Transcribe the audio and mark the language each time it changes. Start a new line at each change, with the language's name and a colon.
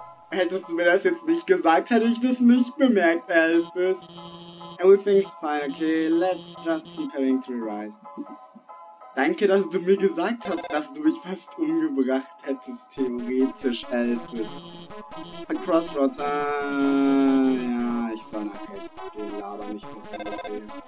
German: Hättest du mir das jetzt nicht gesagt, hätte ich das nicht bemerkt, Elvis.
English: Everything's fine, okay, let's just keep heading to the right.
German: Danke, dass du mir gesagt hast, dass du mich fast umgebracht hättest, theoretisch, Elvis.
English: A crossroads,
German: ja, ich soll nach rechts gehen, aber nicht so viel.